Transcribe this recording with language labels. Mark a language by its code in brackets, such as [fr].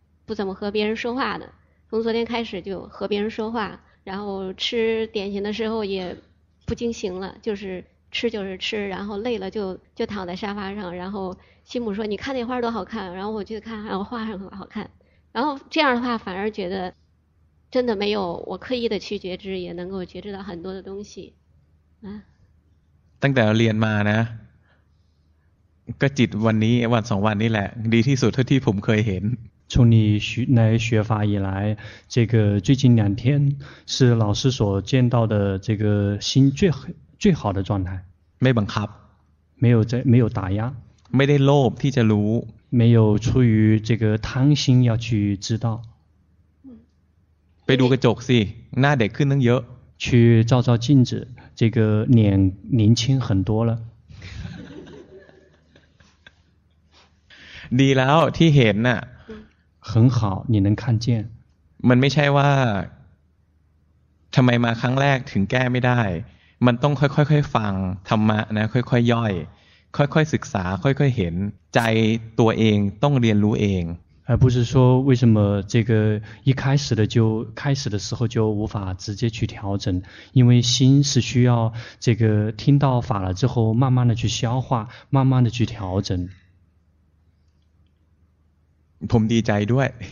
[zh] 不怎么和别人说话的从昨天开始就和别人说话然后吃点心的时候也不惊醒了就是吃就是吃然后累了就躺在沙发上然后心母说你看那花多好看然后我去看然后花很好看然后这样的话反而觉得真的没有我刻意的去觉知也能够觉知到很多的东西 [th] ตั้งแต่เรียนมานะก็จิตวันนี้วันสองวันนี้แหละดีที่สุดเท่าที่ผมเคยเห็น [zh] 从你来学法以来这个最近两天是老师所见到的这个心最好的状态 [th] ไม่บังคับ [zh] 没有打压 [th] ไม่ได้โลภที่จะรู้ [zh] 没有出于这个贪心要去知道 [th] ไปดูกระจกสิหน้าเด็กขึ้นตั้งเยอะ [zh] 去照照镜子这个脸年轻很多了 [th] ดีแล้วที่เห็นน่ะ [zh] 很好你能看见 [th] มันไม่ใช่ว่าทำไมมาครั้งแรกถึงแก้ไม่ได้มันต้องค่อยๆฟังธรรมะนะค่อยๆย่อยค่อยๆศึกษาค่อยๆเห็นใจตัวเองต้องเรียนรู้เอง [zh] 而不是说为什么这个一开始的就开始的时候就无法直接去调整因为心是需要这个听到法了之后慢慢的去消化慢慢的去调整 [th] ผมดีใจด้วย